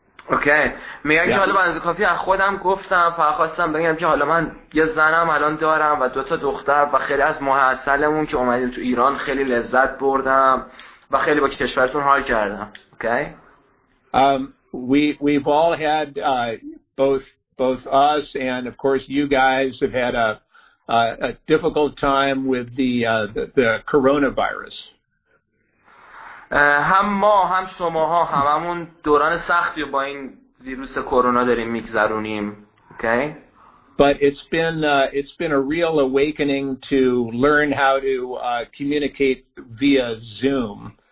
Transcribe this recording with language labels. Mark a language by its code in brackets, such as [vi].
[fa] اوکی میگن که حالا من از کافی از خودم گفتم، فقط خواستم بگم که حالا من یه زنم الان دارم و دو تا دختر و خیلی از ماه عسلمون که اومدیم تو ایران خیلی لذت بردم و خیلی با کشورتون حال کردم. [en] Okay we've all had both us and of course you guys have had a difficult time with the coronavirus. [fa] هم ما هم شماها هممون دوران سختی رو با این ویروس کرونا داریم میگذرونیم. [en] Okay? But it's been a real awakening to learn how to communicate via Zoom,